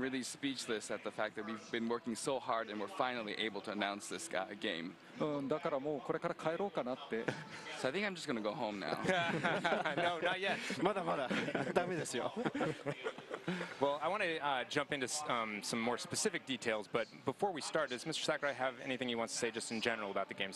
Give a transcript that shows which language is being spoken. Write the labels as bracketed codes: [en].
[en] really speechless at the fact that we've been working so hard and we're finally able to announce this game. [ja] だからもうこれから帰ろうかなって。So [en] I think I'm just going to go home now. No, not yet. [ja] まだまだダメですよ。 [en] Well, I want to jump into some more specific details, but before we start, does Mr. Sakurai have anything he wants to say just in general about the game's